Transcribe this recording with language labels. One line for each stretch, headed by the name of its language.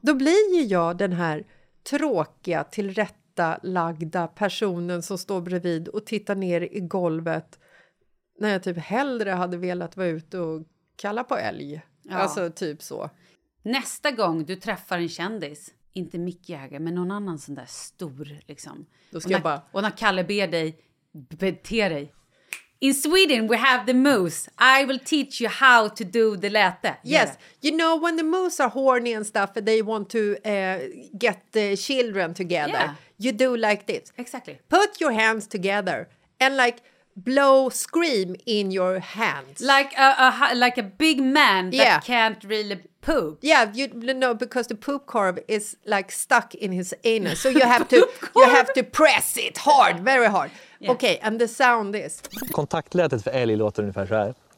Swedish: Då blir ju jag den här tråkiga, tillrättalagda personen som står bredvid och tittar ner i golvet. När jag typ hellre hade velat vara ute och kalla på älg. Ja. Alltså typ så. Nästa gång du träffar en kändis, inte Mick Jagger, men någon annan sån där stor liksom. Då ska jag bara... Och när Kalle ber dig, bete dig.
English: In Sweden we have the moose. I will teach you how to do the
Swedish: läte.
English: Yes, you know when the moose are horny and stuff and they want to get the children together. Yeah. You do like this. Exactly. Put your hands together and like blow scream in your hands. Like a big man that can't really poop. Yeah, you know, because the poop corb is like stuck in his anus. So you have to press it hard, very hard. Yeah. Okay, and the sound is...
Swedish: Kontaktlätet för älg låter ungefär så här.